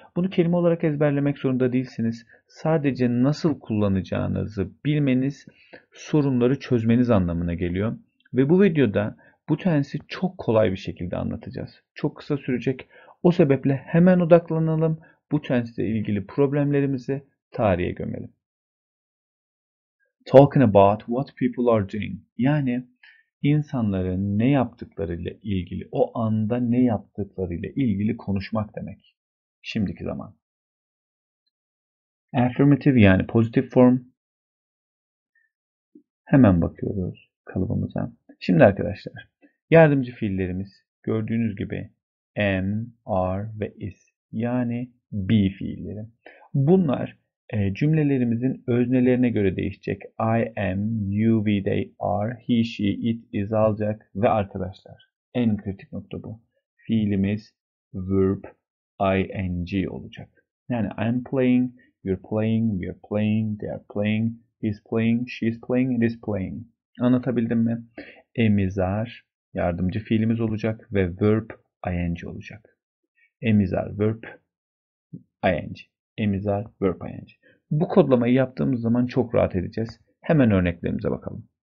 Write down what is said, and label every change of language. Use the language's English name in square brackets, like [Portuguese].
[Turkish] Bunu kelime olarak ezberlemek zorunda değilsiniz. Sadece nasıl kullanacağınızı bilmeniz, sorunları çözmeniz anlamına geliyor. Ve bu videoda bu tense'i çok kolay bir şekilde anlatacağız. Çok kısa sürecek. O sebeple hemen odaklanalım. Bu tense ile ilgili problemlerimizi tarihe gömelim. [English] Talking about what people are doing. [Turkish] Yani insanların ne yaptıklarıyla ilgili, o anda ne yaptıklarıyla ilgili konuşmak demek. Şimdiki zaman. Affirmative yani pozitif form. Hemen bakıyoruz kalıbımıza. Şimdi arkadaşlar, yardımcı fiillerimiz gördüğünüz gibi am, are ve is. Yani be fiilleri. Bunlar cümlelerimizin öznelerine göre değişecek. [English] I am, you, we, they, are, he, she, it, is [Turkish] alacak. Ve arkadaşlar, en kritik nokta bu. Fiilimiz verb ing olacak. Yani [English] I am playing, you're playing, we are playing, they are playing, he's playing, she's playing, it is playing. [Turkish] Anlatabildim mi? [English] Am is are, [Turkish] yardımcı fiilimiz olacak ve verb ing olacak. [English] Am is are verb ing. Am is are verb ing. [Turkish] Bu kodlamayı yaptığımız zaman çok rahat edeceğiz. Hemen örneklerimize bakalım.